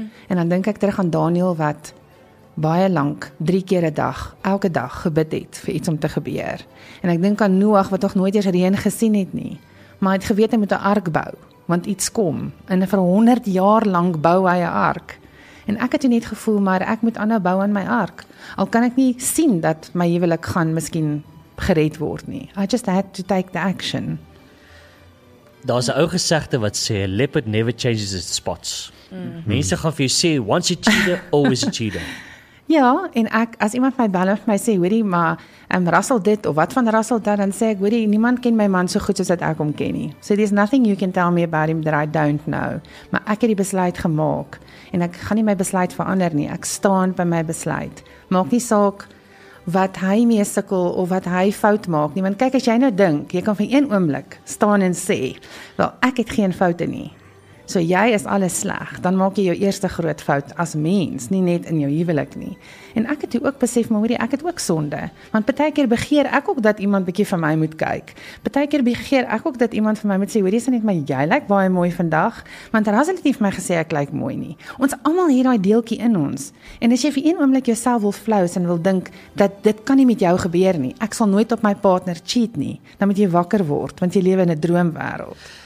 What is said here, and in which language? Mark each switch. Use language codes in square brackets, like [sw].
[af] En dan denk ek terug aan Daniel wat baie lank, 3 keer 'n dag, elke dag gebid het vir iets om te gebeur. En ek denk aan Noag wat toch nooit eens reën gesien het nie, maar het geweet hy moet 'n ark bou, want iets kom, en vir 100 jaar lang bou hy 'n ark. En ek het toe net gevoel, maar ek moet aanhou bou aan my ark. Al kan ek nie sien dat my huwelik gaan miskien gered word nie. [en] I just had to take the action. [af] Daar is 'n ou gesegde wat sê, [en] a leopard never changes its spots. [af] Mense gaan vir jou sê, [en] once a cheater, always a cheater. [af] Ja, en ek, as iemand my bel of my sê, hoorie, maar Russell dit, of wat van Russell dat, dan sê ek, hoorie, niemand ken my man so goed soos dat ek hom ken nie. [en] So there's nothing you can tell me about him that I don't know. [af] Maar ek het die besluit gemaak, en ek gaan nie my besluit verander nie, ek staan by my besluit. Maak nie saak wat hy mee sikkel, of wat hy fout maak nie, want kyk, as jy nou dink, jy kan vir een oomblik staan en sê, wel, ek het geen foute nie. So jy is alles sleg, dan maak jy jou eerste groot fout as mens, nie net in jou huwelik nie. En ek het ook besef, maar hoorie, ek het ook sonde. Want partykeer begeer ek ook dat iemand bietjie vir my moet kyk. Partykeer begeer ek ook dat iemand vir my moet sê, hoorie, sien net my, jy lyk baie mooi vandag, want Rasel het nie vir my gesê ek lyk mooi nie. Ons almal het daai deeltjie in ons. En as jy vir een oomblik jouself wil flous en wil dink dat dit kan nie met jou gebeur nie. Ek sal nooit op my partner cheat nie. Dan moet jy wakker word, want jy lewe in 'n droomwêreld.